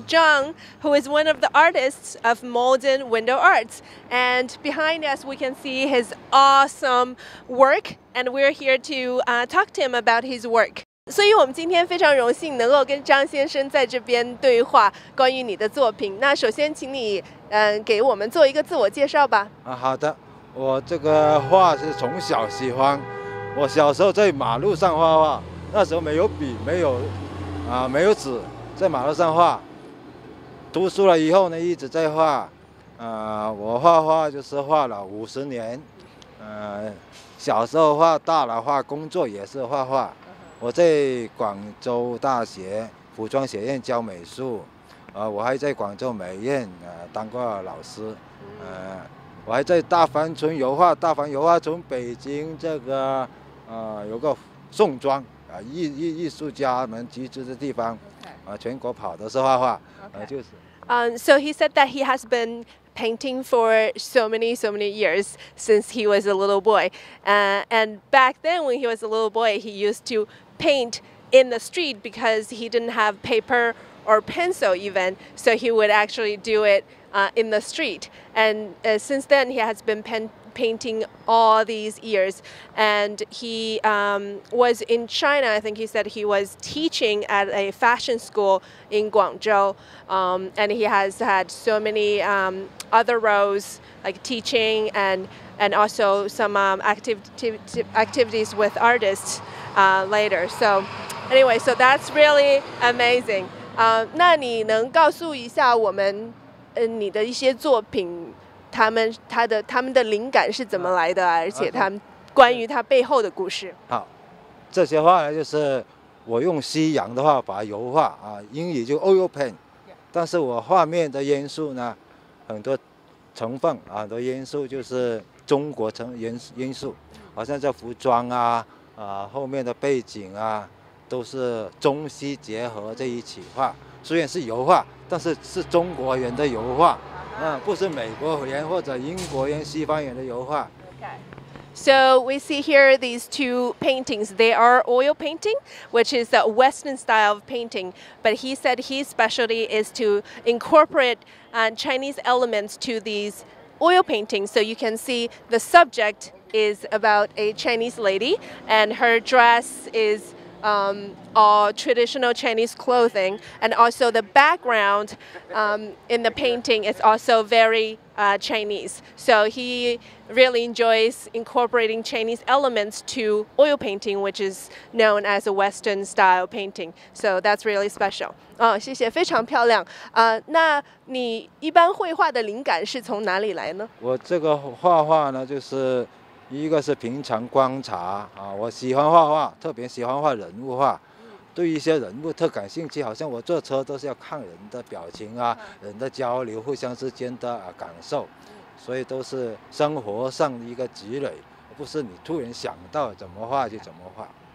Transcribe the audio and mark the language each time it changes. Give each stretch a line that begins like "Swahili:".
English: Zhang, who is one of the artists of Malden Window Arts. And behind us we can see his awesome work, and we're here to talk to him about his work.
Chinese: 所以我们今天非常荣幸能够跟张先生在这边对话关于你的作品。那首先请你给我们做一个自我介绍吧。好的，我这个画是从小喜欢，我小时候在马路上画画，那时候没有笔，没有纸，在马路上画。读书了以后呢，一直在画。我画画就是画了50年。小时候画，大了画，工作也是画画。我在广州大学服装学院教美术，我还在广州美院当过老师，我还在大凡村油画，大凡油画从北京这个有个宋庄。艺术家们集资的地方，全国跑的是画画，就是。
English: So he said that he has been painting for so many years since he was a little boy. And back then when he was a little boy, he used to paint in the street because he didn't have paper or pencil even. So he would actually do it in the street. And since then he has been painting all these years, and he was in China. I think he said he was teaching at a fashion school in Guangzhou, and he has had so many other roles like teaching and also some activities with artists later. So anyway, so that's really amazing.
Chinese: 那你能告诉一下我们你的一些作品他们的灵感是怎么来的，而且他们关于他背后的故事。好，这些画就是我用西洋的画法油画啊，英语就 oil paint， 但是我画面的元素呢，很多成分啊，很多元素就是中国元素，好像这服装啊后面的背景啊，都是中西结合在一起画，虽然是油画，但是是中国人的油画。不是美国人或者英国人、西方人的油画。
English: So we see here these two paintings. They are oil painting, which is a Western style of painting. But he said his specialty is to incorporate Chinese elements to these oil paintings. So you can see the subject is about a Chinese lady, and her dress is all traditional Chinese clothing, and also the background in the painting is also very Chinese. So he really enjoys incorporating Chinese elements to oil painting, which is known as a Western style painting. So that's really special.
Chinese: 谢谢，非常漂亮。那你一般绘画的灵感是从哪里来呢？我这个画画呢，就是一个是平常观察啊，我喜欢画画，特别喜欢画人物画，对一些人物特感兴趣，好像我坐车都是要看人的表情啊，人的交流，互相之间的感受，所以都是生活上一个积累，不是你突然想到怎么画就怎么画。